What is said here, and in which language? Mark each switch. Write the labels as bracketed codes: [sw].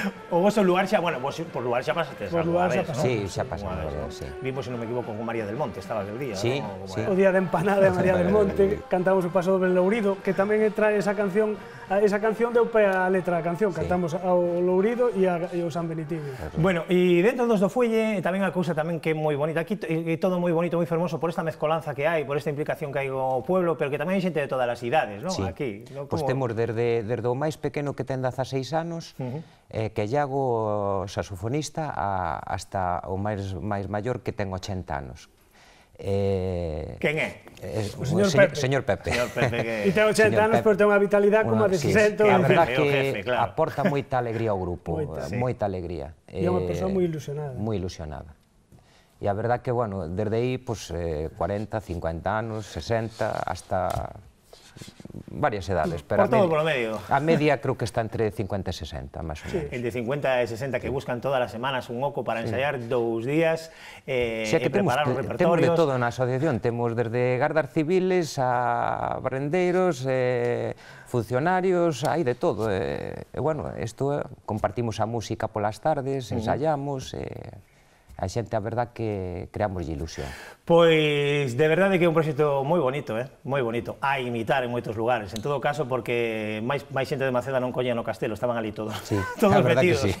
[es] O vos en lugar ya, bueno, vos por lugar ya pasaste. Por lugar ya pasaste. ¿No? Sí, ya pasaste. Bueno, ¿no? Sí. Vimos, si no me equivoco, con María del Monte, estaba del día. Sí, ¿no? Sí. O día de empanada de María del Monte, cantamos el paso del Lourido, que también trae esa canción. [gl] Esa canción deu pé a letra da canción, cantamos ao Lourido e ao San Benitivo. Bueno, e dentro dos do Fuelle, tamén a cousa tamén que é moi bonita, aquí é todo moi bonito, moi fermoso, por esta mezcolanza que hai, por esta implicación que hai o pueblo, pero que tamén hai xente de todas as idades, non? Sí, pois temos desde o máis pequeno que ten 16 anos, que é Iago, saxofonista, hasta o máis maior que ten 80 anos. [es] ¿Quién es? Señor Pepe. Y tengo 80 años, pero tengo una vitalidad como de 60. La verdad que aporta mucha alegría al grupo. Mucha alegría. Yo me puse muy ilusionada. Muy ilusionada. Y la verdad que, bueno, desde ahí, pues 40, 50 años, 60, hasta varias edades. Por todo por lo medio. A media creo que está entre 50 y 60, más o menos. Entre 50 y 60, que buscan todas las semanas un oco para ensayar dos días y preparar los repertorios. Tenemos de todo en la asociación. Tenemos desde gardas civiles a barrenderos, funcionarios, hay de todo. Bueno, esto compartimos a música por las tardes, ensayamos. [gl] A xente, a verdad, que creamos ilusión. Pois, de verdade que é un proxecto moi bonito, moi bonito. A imitar en moitos lugares, en todo caso, porque máis xente de Maceda non coñan o castelo, estaban ali todos, todos metidos.